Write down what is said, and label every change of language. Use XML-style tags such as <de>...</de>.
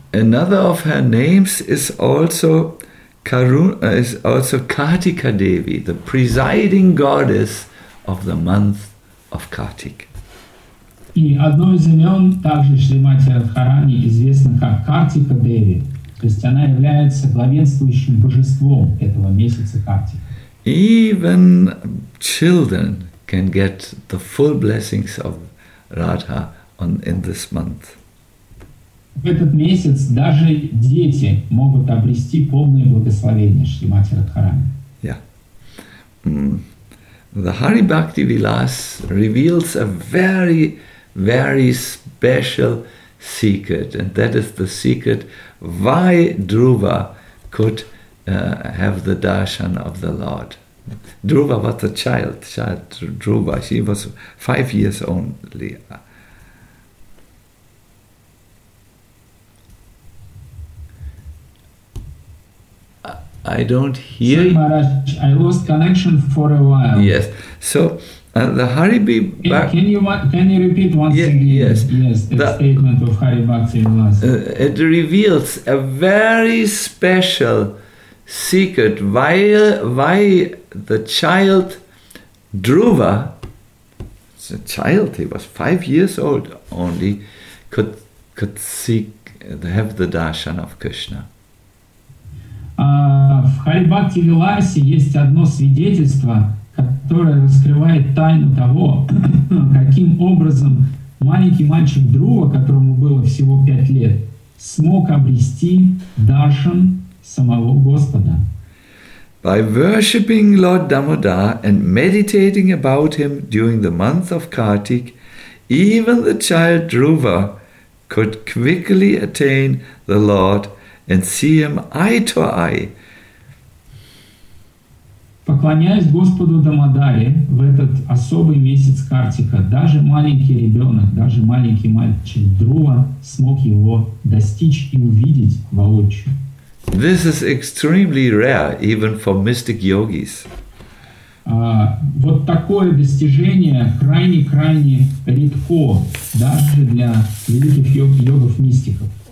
<en>Another of her names is also Kartika Devi, the presiding goddess of the month of Kartik.</en> <ru>И одно из имен также Шримати Радхарани известно как Картика Деви, то есть она является главенствующим божеством этого месяца Картик.</ru> <en>Even children can get the full blessings of Radha in this month.</en> <ru>В этот месяц даже дети могут обрести полное благословение Шримати Радхарани.</ru> <en>Yeah. The Hari Bhakti Vilas reveals a very, very special secret, and that is the secret why Dhruva could have the darshan of the Lord. Dhruva was a child Dhruva. She was 5 years only. I don't hear. Sorry, Maharaj, I lost connection for a while. Yes. So, the Hari Bhakti. Can you repeat once again? Yes. The statement of Hari Bhakti Vilas. It reveals a very special secret why the child Dhruva, it's a child, he was 5 years old only, could seek have the darshan of Krishna.</en> <ru>В Хари Бхакти Виласе есть одно свидетельство, которое раскрывает тайну того, каким образом маленький мальчик Друва, которому было всего 5 лет, смог обрести даршан самого Господа.</ru> <en>By worshipping Lord Damodar and meditating about him during the month of Kartik, even the child Dhruva could quickly attain the Lord and see him eye to eye.</en> <ru>Поклоняясь Господу Дамодаре в этот особый месяц Картика, даже маленький ребенок, даже маленький мальчик Друва смог его достичь и увидеть воочию.</ru> <en>This is extremely rare, even for mystic yogis.</en> <ru>Вот такое достижение крайне-крайне редко даже для великих йогов-мистиков.</ru>